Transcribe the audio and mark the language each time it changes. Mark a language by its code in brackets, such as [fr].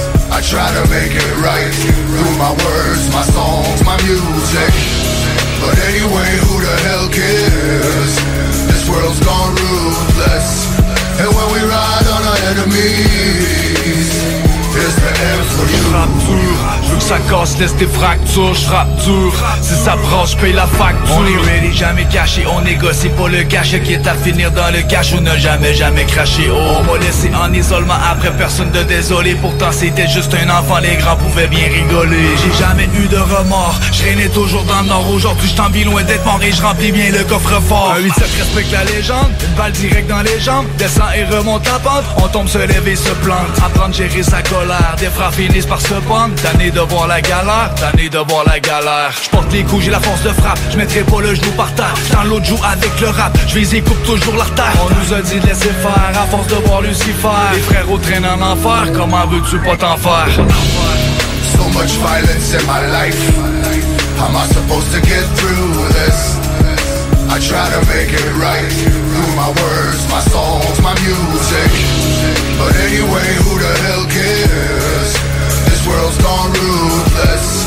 [en] I try to make it right through my words, my songs, my music. But anyway, who the hell cares? This world's gone ruthless. And when we ride on our enemies, it's the end for you. [fr] Ça casse, laisse des fractures, je frappe dur. Si ça branche, paye la facture. On est ready, jamais caché, on négocie pour le cash. Qui est à finir dans le cash, on n'a jamais, jamais craché. Oh, on m'a laissé en isolement après personne de désolé. Pourtant c'était juste un enfant, les grands pouvaient bien rigoler. J'ai jamais eu de remords, je traînais toujours dans le nord. Aujourd'hui je t'envie loin d'être mort et je remplis bien le coffre-fort. Un 8-7 respecte la légende, une balle direct dans les jambes. Descends et remonte la pente, on tombe se lève et se plante. Apprendre, gérer sa colère, des frères finissent par se pendre. D'années de voir la galère, t'année de voir la galère. J'porte les coups, j'ai la force de frappe. J'mettrai pas le genou par terre. Dans l'autre joue avec le rap, j'vise et coupe toujours l'artère. On nous a dit de laisser faire, à force de voir Lucifer. Les frères traînent en enfer, comment veux-tu pas t'en faire? [en] So much violence in my life. How am I supposed to get through this? I try to make it right through my words, my songs, my music. But anyway, who the hell cares? World's gone ruthless.